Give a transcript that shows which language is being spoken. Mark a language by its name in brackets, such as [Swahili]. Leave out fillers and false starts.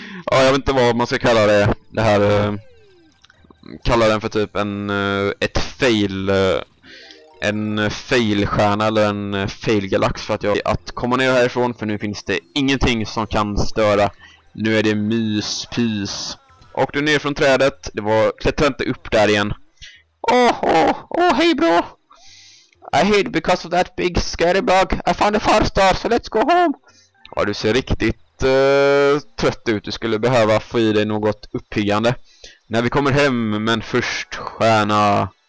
[Swedish] Ja, jag vet inte vad man ska kalla det. Det här... kalla den för typ en... ett fail... en failstjärna eller en failgalax för att jag... Att komma ner härifrån, för nu finns det ingenting som kan störa. Nu är det myspys. Och du ner från trädet. Det var... Klättra inte upp där igen. Åh, hej bro! [English] I hate because of that big scary bug. I found a fire star, so let's go home! [Swedish] Ja, du ser riktigt trött ut. Du skulle behöva få i dig något uppiggande. När vi kommer hem, men först stjärna.